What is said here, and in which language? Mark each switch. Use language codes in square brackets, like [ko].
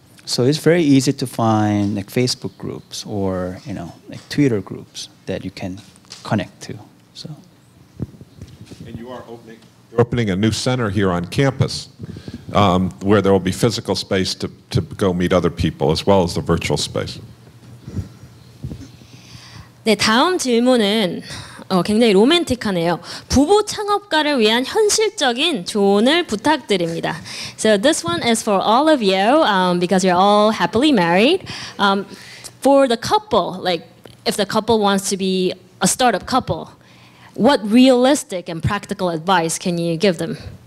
[en] So it's very easy to find like Facebook groups or, you know, like Twitter groups that you can connect to. So. And you are opening a new center here on campus where there will be physical space to go meet other people as well as the virtual space. [ko] 네, 다음 질문은 굉장히 로맨틱하네요. 부부 창업가를 위한 현실적인 조언을 부탁드립니다. [en] So this one is for all of you, because you're all happily married. For the couple, like if the couple wants to be a startup couple, what realistic and practical advice can you give them?